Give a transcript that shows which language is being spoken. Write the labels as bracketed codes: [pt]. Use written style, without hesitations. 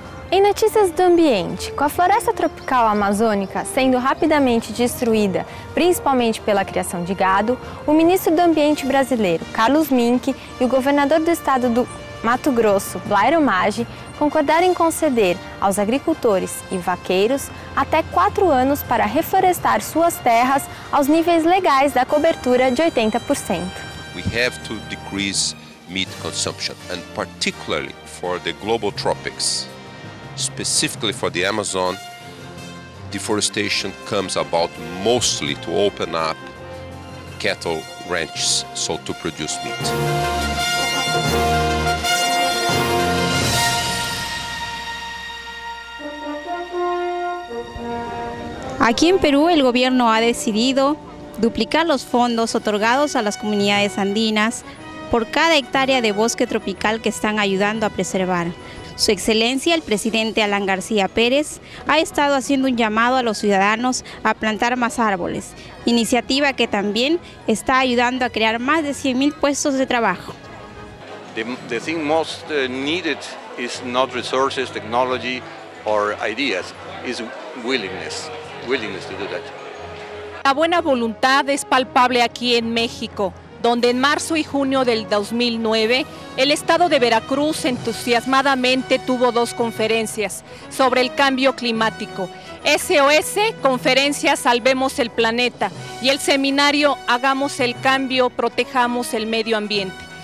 [pt] Em notícias do ambiente, com a floresta tropical amazônica sendo rapidamente destruída, principalmente pela criação de gado, o ministro do Ambiente brasileiro, Carlos Mink, e o governador do estado do Mato Grosso, Blairo Maggi, concordaram em conceder aos agricultores e vaqueiros até 4 anos para reflorestar suas terras aos níveis legais da cobertura de 80%. [en] We have to decrease meat consumption, and particularly for the global tropics, specifically for the Amazon, deforestation comes about mostly to open up cattle ranches, so to produce meat. [es] Aquí en Perú, el gobierno ha decidido duplicar los fondos otorgados a las comunidades andinas por cada hectárea de bosque tropical que están ayudando a preservar. Su excelencia, el presidente Alan García Pérez, ha estado haciendo un llamado a los ciudadanos a plantar más árboles, iniciativa que también está ayudando a crear más de 100.000 puestos de trabajo. [en] The thing most needed is not resources, technology or ideas, is willingness. [es] La buena voluntad es palpable aquí en México, donde en marzo y junio del 2009 el estado de Veracruz entusiasmadamente tuvo dos conferencias sobre el cambio climático, SOS, conferencia Salvemos el Planeta, y el seminario Hagamos el Cambio, Protejamos el Medio Ambiente.